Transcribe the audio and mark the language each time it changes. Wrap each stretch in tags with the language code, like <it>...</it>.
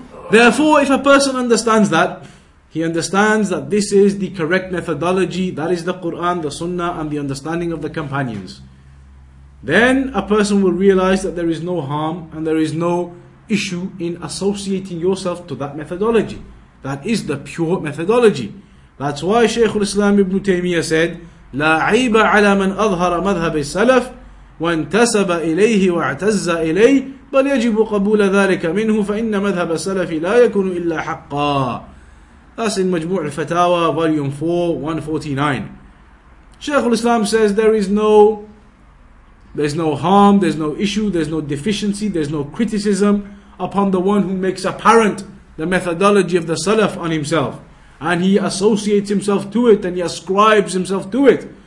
<en>Therefore, if a person understands that, he understands that this is the correct methodology, that is the Qur'an, the Sunnah, and the understanding of the companions, then a person will realize that there is no harm and there is no issue in associating yourself to that methodology. That is the pure methodology. That's why Shaykh al-Islam Ibn Taymiyyah said,</en> <ar>لا عيب على من أظهر مذهب السلف وانتسب إليه واعتز إليه بل يجب قبول ذلك منه فإن مذهب السلف لا يكون إلا حقا.</ar> <en>That's in مجموع الفتاوى, volume 4, 149. Shaykh al-Islam says there's no harm, there's no issue, there's no deficiency, there's no criticism upon the one who makes apparent the methodology of the Salaf on himself, and he associates himself to it, and he ascribes himself to it.</en>